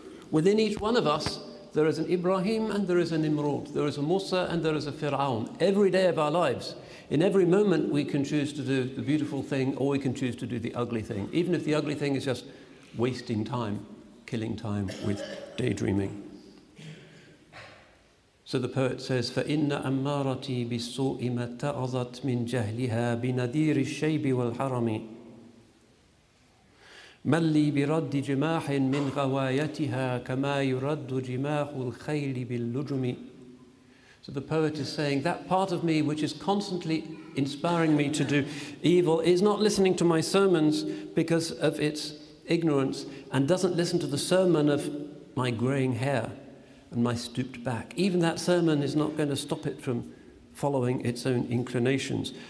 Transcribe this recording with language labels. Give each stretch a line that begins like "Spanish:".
English: Within each one of us, there is an Ibrahim and there is an Imrod. There is a Musa and there is a Fir'aun. Every day of our lives, in every moment, we can choose to do the beautiful thing or we can choose to do the ugly thing, even if the ugly thing is just wasting time, killing time with daydreaming. So the poet says,
Arabic: فَإِنَّ أَمَّارَتِي بِالسُّوءِ مَتَّعَظَتْ مِنْ جَهْلِهَا بِنَذِيرِ الشَّيْبِ وَالْحَرَمِ مَلِّي بِرَدِّ جِمَاحٍ مِنْ غَوَايَتِهَا كَمَا يُرَدُّ جِمَاحُ الْخَيْلِ بِاللُّجُمِ.
English: So the poet is saying, that part of me which is constantly inspiring me to do evil is not listening to my sermons because of its ignorance and doesn't listen to the sermon of my graying hair and my stooped back. Even that sermon is not going to stop it from following its own inclinations.